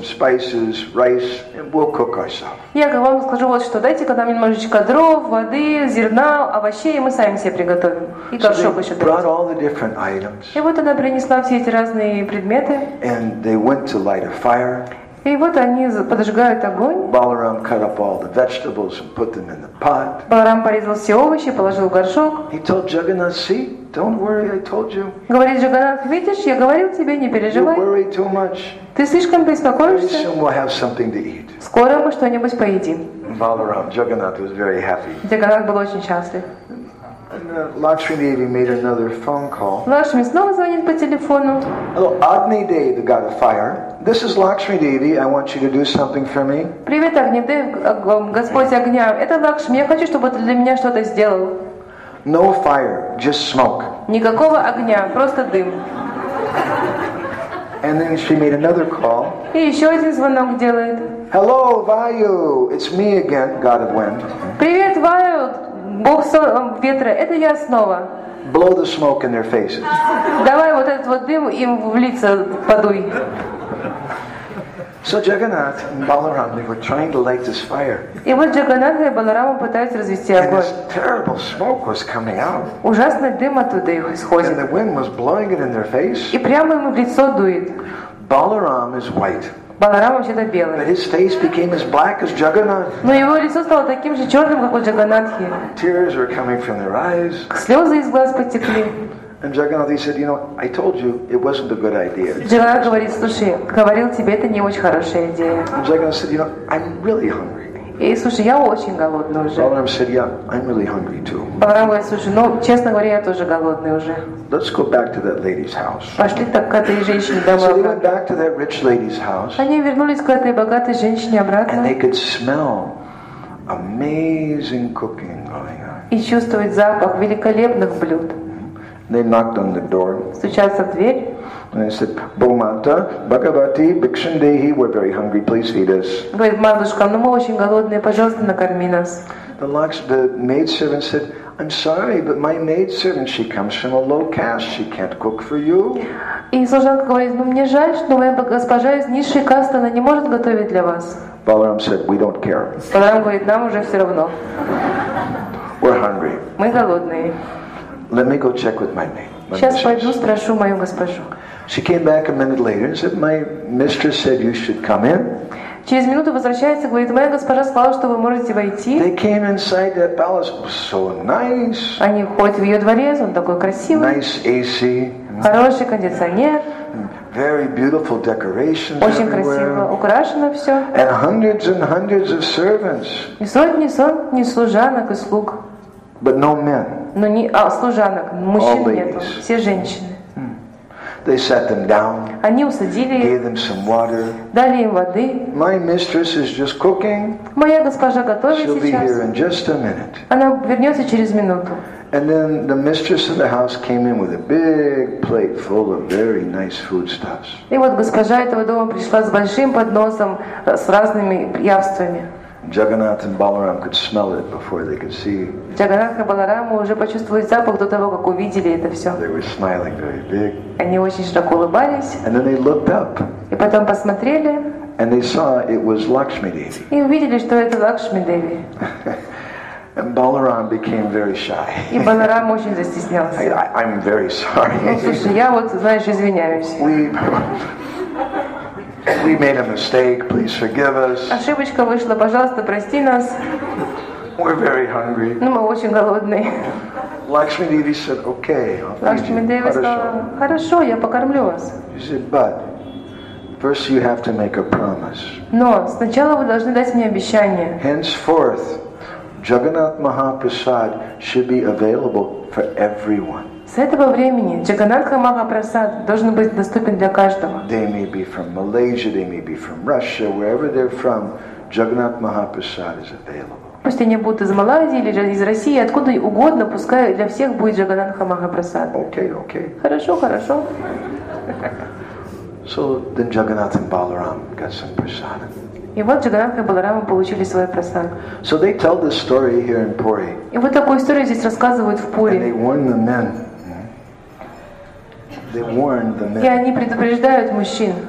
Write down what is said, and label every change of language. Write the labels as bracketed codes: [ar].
[en] Spices, rice, and we'll cook ourselves. [ru] Я вам скажу вот что. Дайте-ка нам немножечко дров, воды, зерна, овощей, и мы сами себе приготовим. И горшок еще дадим. [en] So they brought all the different items. [ru] И вот она принесла все эти разные предметы. [en] And they went to light a fire. [ru] И вот они подожгают огонь. [en] Balaram cut up all the vegetables and put them in the pot. [ru] Balaram порезал все овощи, положил в горшок. [en] He told Jagannath, "See, don't worry, I told you." [ru] Говорит Джаганнат, видишь, я говорил тебе, не переживай. [en] You worry too much. [ru] Ты слишком беспокоишься. [en] Very soon we'll have something to eat. [ru] Скоро мы что-нибудь поедим. [en] Balaram, Jagannath was very happy. [ru] Джаганнат был очень счастлив. [en] Lakshmi Devi made another phone call. [ru] Lakshmi снова звонит по телефону. [en] Hello, Agni Devi got a fire. This is Lakshmi Devi. I want you to do something for me. [ru] Привет, Агни Дев, Господь огня. Это Лакшми. Я хочу, чтобы ты для меня что-то сделал. [en] No fire, just smoke. [ru] Никакого огня, просто дым. [en] And then she made another call. [ru] И еще один звонок делает. [en] Hello, Vayu. It's me again, God of Wind. [ru] Привет, Vayu. Бог ветра, это я снова. [en] Blow the smoke in their faces. [ru] Давай вот этот вот дым им в лица подуй. [en] So Jagannath and Balaram, they were trying to light this fire. [ru] И вот Джаганнат и Баларама пытаются развести огонь. [en] And this terrible smoke was coming out. [ru] Ужасный дым оттуда исходит. [en] And the wind was blowing it in their face. [ru] И прямо ему в лицо дует. [en] Balaram is white. [ru] Баларам вообще-то белый. [en] But his face became as black as Jagannath. [ru] Но его лицо стало таким же черным, как у Джаганнатхи. [en] Tears were coming from their eyes. [ru] Слезы из глаз потекли. [en] And Jagannath, he said, "You know, I told you it wasn't a good idea." [ru] Джаганнат говорит, слушай, говорил тебе, это не очень хорошая идея. [en] And Jagannath said, "You know, I'm really hungry." [ru] И слушай, я очень голодный уже. [en] Баларам said, "Yeah, I'm really hungry too." [ru] Баларам говорит, слушай, ну, честно говоря, я тоже голодный уже. [en] Let's go back to that lady's house. [ru] Пошли так к этой женщине домой. [en] So they went back to that rich lady's house. [ru] Они вернулись к этой богатой женщине обратно. [en] And they could smell amazing cooking going on. [ru] И чувствовать запах великолепных блюд. [en] They knocked on the door. [ru] Стучатся в дверь. [en] And they said, [sa] "Bo Mata, Bhagavati, Bhiksham Dehi, [en] we're very hungry. Please feed us." [ru] Говорит матушка, ну мы очень голодные, пожалуйста, накорми нас. [en] The maid servant said, "I'm sorry, but my maid servant, she comes from a low caste. She can't cook for you." [ru] И служанка говорит, ну мне жаль, что моя госпожа из низшей касты, она не может готовить для вас. [en] Balaram said, "We don't care." [ru] Баларам говорит, нам уже все равно. [en] We're hungry. [ru] Мы голодные. [en] Let me go check with my maid. [ru] Сейчас пойду спрошу мою госпожу. [en] She came back a minute later and said, "My mistress said you should come in." [ru] Через минуту возвращается, говорит, моя госпожа сказала, что вы можете войти. [en] They came inside that palace. It was so nice. [ru] Они ходят в ее дворец, он такой красивый. [en] Nice AC. [ru] Хороший кондиционер. [en] Very beautiful decorations. [ru] Очень красиво украшено все. [en] And hundreds and hundreds of servants. [ru] И сотни, сотни служанок и слуг. [en] But no men. [ru] Но не, а служанок, мужчин нету, все женщины. [en] They sat them down. [ru] Они усадили. [en] Gave them some water. [ru] Дали им воды. [en] My mistress is just cooking. [ru] Моя госпожа готовит сейчас. [en] She'll be here in just a minute. [ru] Она вернется через минуту. [en] And then the mistress of the house came in with a big plate full of very nice foodstuffs. [ru] И вот госпожа этого дома пришла с большим подносом с разными явствами. [en] Jagannath and Balaram could smell it before they could see. [ru] Jagannath и Balaram уже почувствовали запах до того, как увидели это все. [en] They were smiling very big. [ru] Они очень широко улыбались. [en] And then they looked up. [ru] И потом посмотрели. [en] And they saw it was Lakshmi Devi. [ru] И увидели, что это Лакшми Деви. [en] And Balaram became very shy. [ru] И Баларам очень застеснялся. [en] I'm very sorry. [ru] Слушай, я вот, знаешь, извиняюсь. [en] We made a mistake. Please forgive us. [ru] Ошибочка вышла. Пожалуйста, прости нас. [en] We're very hungry. [ru] Ну, мы очень голодные. [en] Lakshmi Devi said, "Okay, I'll feed you." [ru] Lakshmi Devi сказала, хорошо, я покормлю вас. [en] She said, "But first you have to make a promise." [ru] Но сначала вы должны дать мне обещание. [en] Henceforth, Jagannath Mahaprasad should be available for everyone. [ru] С этого времени Джаганнатха Махапрасад должен быть доступен для каждого. [en] They may be from Malaysia, they may be from Russia, wherever they're from, Jagannath Mahaprasad is available. [ru] Пусть они будут из Малайзии или из России, откуда угодно, пускай для всех будет Джаганнатха Махапрасад. [en] Okay, okay. [ru] Хорошо, хорошо. [en] So then Jagannath and Balaram got some prasadam. [ru] И вот Джаганнатха и Баларама получили свой прасад. [en] So they tell this story here in Puri. [ru] И вот такую историю здесь рассказывают в Пури. [en] And they warn the men. They warn the men. [ru] И они предупреждают мужчин.